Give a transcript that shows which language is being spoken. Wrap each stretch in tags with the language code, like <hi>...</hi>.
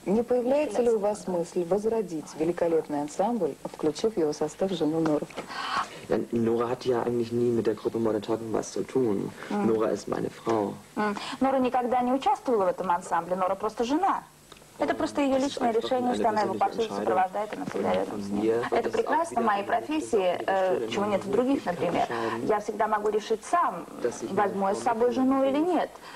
<ru>Не появляется ли у вас мысль возродить великолепный ансамбль, включив в его состав жену Нору?</ru> <de>Нора hat ja eigentlich nie mit der Gruppe Modern Talking was zu tun. Nora ist meine Frau.</de> <ru>Нора никогда не участвовала в этом ансамбле. Нора просто жена. Это просто ее личное решение, что она его повсюду сопровождает и навсегда рядом с ним. Это прекрасно в моей профессии, чего нет в других, например. Я всегда могу решить сам, возьму я с собой жену или нет.</ru>